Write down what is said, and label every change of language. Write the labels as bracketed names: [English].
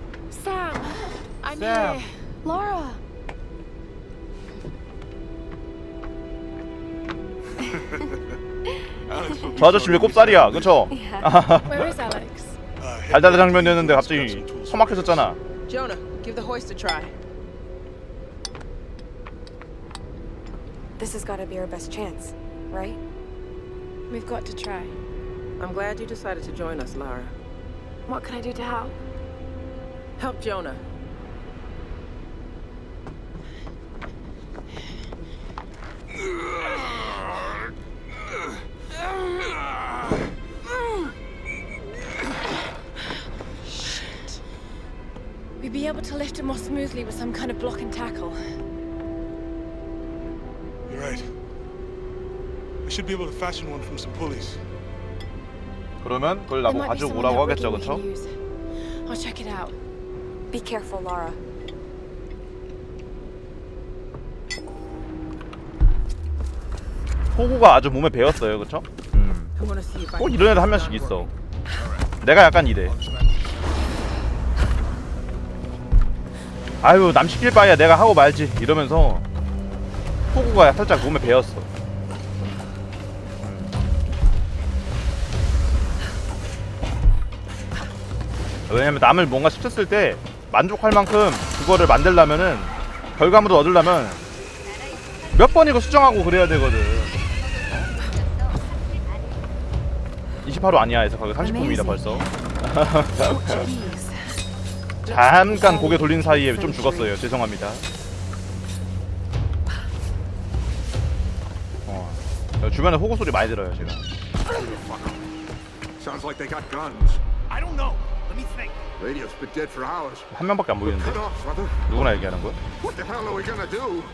[English] Sam, I'm here. Laura. [Korean] Alex, 저 아저씨 왜 꼽살이야? 그쵸? [English] Where is Alex? [Korean] 달달한 장면이었는데 갑자기 소막해졌잖아. [English] Jonah, give the hoist a try. This has got to be our best chance, right? We've got to try. I'm glad you decided to join us, Lara. What can I do to help? Help Jonah. Shit. We'd be able to lift him more smoothly with some kind of block and tackle. You're right. I should be able to fashion one from some pulleys. [Korean] 그러면 그걸 나고 가져오라고 하겠죠, 그렇죠? [English] I'll check it out. Be careful, Lara. [Korean] 호구가 아주 몸에 배었어요, 그렇죠? 꼭 이런 애들 한 명씩 있어. 내가 약간 이래. 아유, 남 시킬 바야 내가 하고 말지 이러면서 호구가 살짝 몸에 배었어. 왜냐면 남을 뭔가 시켰을 때 만족할 만큼 그거를 만들려면은 결과물을 얻으려면 몇 번이고 수정하고 그래야 되거든. 28호 아니야 해서 거기 30분이다 벌써. 잠깐 고개 돌린 사이에 좀 죽었어요. 죄송합니다. 어, 주변에 호구 소리 많이 들어요 지금. [English] Sounds like they got guns. I don't know. Radio's been dead for hours. [Korean] 한 명밖에 안 보이는데. 누구나 얘기하는 거야? [English] What the hell are we gonna do?